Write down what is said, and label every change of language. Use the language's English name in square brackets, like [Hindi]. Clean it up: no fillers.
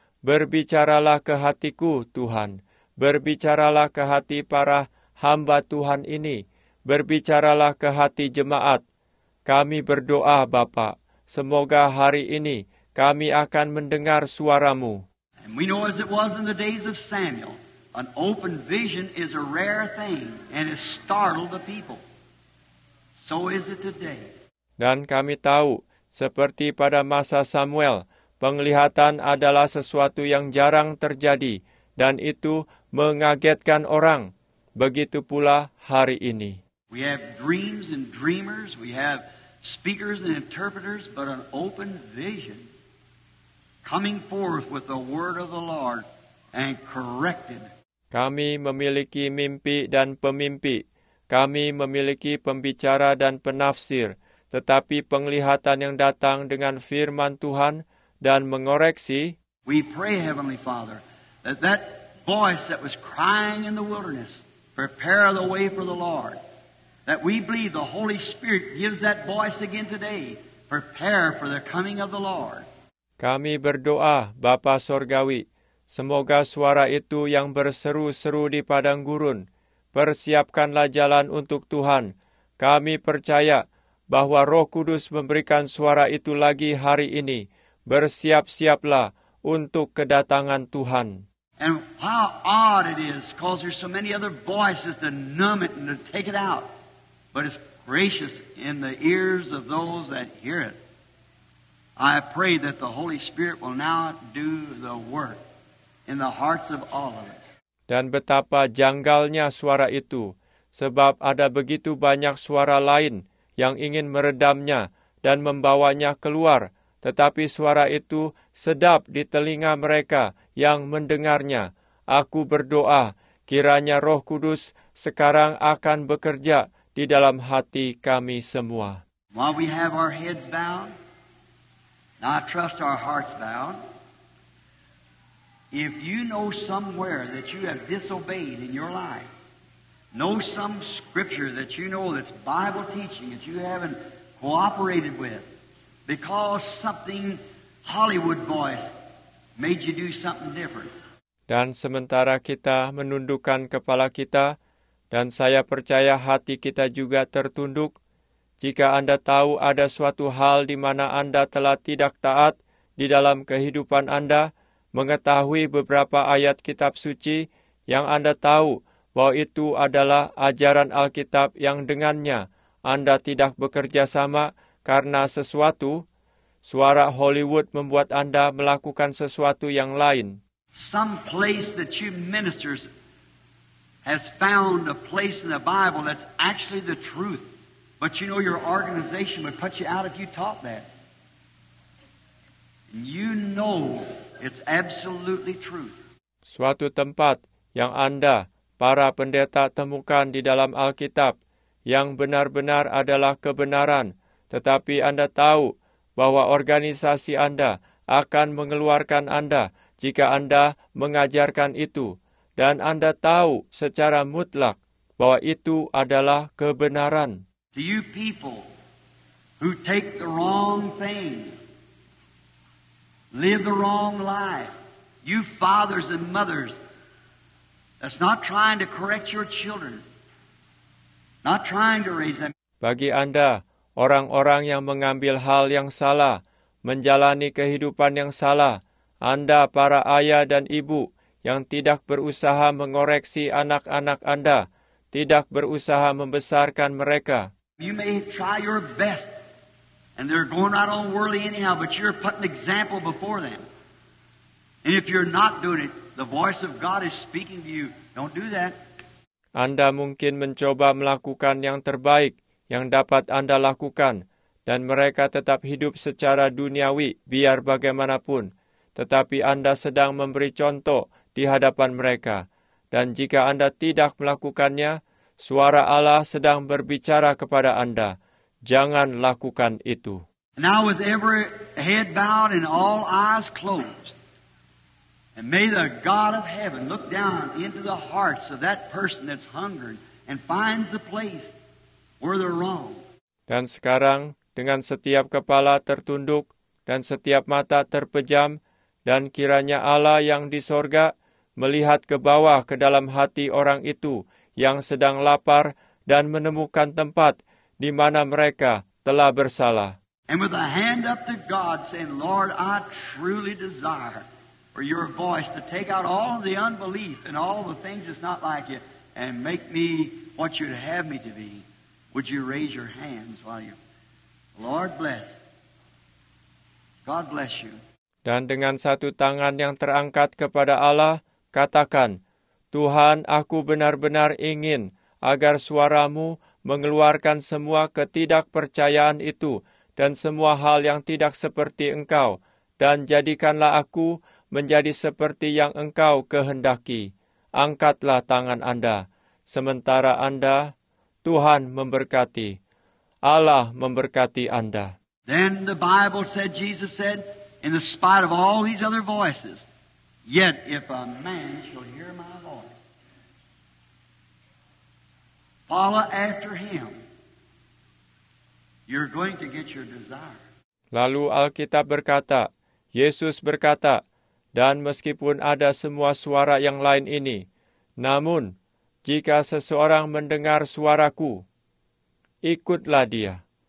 [Indonesian] Berbicaralah ke hatiku, Tuhan. Berbicaralah ke hati para hamba Tuhan ini. Berbicaralah ke hati jemaat. Kami berdoa, Bapa. Semoga hari ini kami akan mendengar suaramu. [English] And we know as it was in the days of Samuel, an open vision is a rare thing and it startled the people. So is it today. [Indonesian] Dan kami tahu, seperti pada masa Samuel, penglihatan adalah sesuatu yang jarang terjadi dan itu mengagetkan orang. Begitu pula hari ini. [English] We have dreams and dreamers, we have speakers and interpreters, but an open vision coming forth with the word of the Lord and corrected. [Indonesian] Kami memiliki mimpi dan pemimpi. Kami memiliki pembicara dan penafsir. Tetapi penglihatan yang datang dengan firman Tuhan dan mengoreksi. [English] We pray, Heavenly Father, that that voice that was crying in the wilderness, prepare the way for the Lord. That we believe the Holy Spirit gives that voice again today. Prepare for the coming of the Lord. [Indonesian] Kami berdoa, Bapa Sorgawi, semoga suara itu yang berseru-seru di padang gurun, persiapkanlah jalan untuk Tuhan. Kami percaya bahwa Roh Kudus memberikan suara itu lagi hari ini. Bersiap-siaplah untuk kedatangan Tuhan. [English] And how odd it is, because there's so many other voices to numb it and to take it out. But it's gracious in the ears of those that hear it. I pray that the Holy Spirit will now do the work in the hearts of all of us. [Indonesian] Dan betapa janggalnya suara itu, sebab ada begitu banyak suara lain yang ingin meredamnya dan membawanya keluar, tetapi suara itu sedap di telinga mereka yang mendengarnya. Aku berdoa, kiranya Roh Kudus sekarang akan bekerja di dalam hati kami semua. [English] While we have our heads bowed, I trust our hearts bowed. If you know somewhere that you have disobeyed in your life, know some scripture that you know that's Bible teaching that you haven't cooperated with, because something Hollywood voice made you do something different. [Indonesian] Dan sementara kita menundukkan kepala kita, dan saya percaya hati kita juga tertunduk. Jika Anda tahu ada suatu hal di mana Anda telah tidak taat di dalam kehidupan Anda, mengetahui beberapa ayat kitab suci yang Anda tahu bahwa itu adalah ajaran Alkitab yang dengannya Anda tidak bekerja sama karena sesuatu, suara Hollywood membuat Anda melakukan sesuatu yang lain. [English] Some place that you ministers has found a place in the Bible that's actually the truth. But you know your organization would put you out if you taught that. You know it's absolutely truth. [Indonesian] Suatu tempat yang Anda, para pendeta, temukan di dalam Alkitab yang benar-benar adalah kebenaran, tetapi Anda tahu bahwa organisasi Anda akan mengeluarkan Anda jika Anda mengajarkan itu. Dan Anda tahu secara mutlak bahwa itu adalah kebenaran. [English] To you people who take the wrong thing, live the wrong life, you fathers and mothers, that's not trying to correct your children, not trying to raise them. [Indonesian] Bagi Anda, orang-orang yang mengambil hal yang salah, menjalani kehidupan yang salah, Anda para ayah dan ibu, yang tidak berusaha mengoreksi anak-anak Anda, tidak berusaha membesarkan mereka. [English] You may try your best, and they're going out on worldly anyhow, but you're putting example before them. And if you're not doing it, the voice of God is speaking to you. Don't do that. [Indonesian] Anda mungkin mencoba melakukan yang terbaik yang dapat Anda lakukan, dan mereka tetap hidup secara duniawi, biar bagaimanapun. Tetapi Anda sedang memberi contoh di hadapan mereka. Dan jika Anda tidak melakukannya, suara Allah sedang berbicara kepada Anda. Jangan lakukan itu. [English] Now with every head bowed and all eyes closed, and may the God of heaven look down into the hearts of that person that's hungering and finds a place where they're wrong. [Indonesian] Dan sekarang, dengan setiap kepala tertunduk dan setiap mata terpejam, dan kiranya Allah yang di sorga melihat ke bawah ke dalam hati orang itu yang sedang lapar dan menemukan tempat di mana mereka telah bersalah. [English] And with a hand up to God saying, Lord, I truly desire for your voice to take out all the unbelief and all the things that's not like you and make me what you'd have me to be, would you raise your hands while you... Lord bless. God bless you. [Indonesian] Dan dengan satu tangan yang terangkat kepada Allah, katakan, Tuhan, aku benar-benar ingin agar suaramu mengeluarkan semua ketidakpercayaan itu dan semua hal yang tidak seperti engkau, dan jadikanlah aku menjadi seperti yang engkau kehendaki. Angkatlah tangan Anda, sementara Anda, Tuhan memberkati, Allah memberkati Anda. [English] Then the Bible said, Jesus said, in the spite of all these other voices, yet if a man shall hear my voice, follow after him, you're going to get your desire. [Indonesian] Lalu Alkitab berkata, Yesus berkata, dan meskipun ada semua suara yang lain ini, namun jika seseorang mendengar suaraku, ikutlah dia.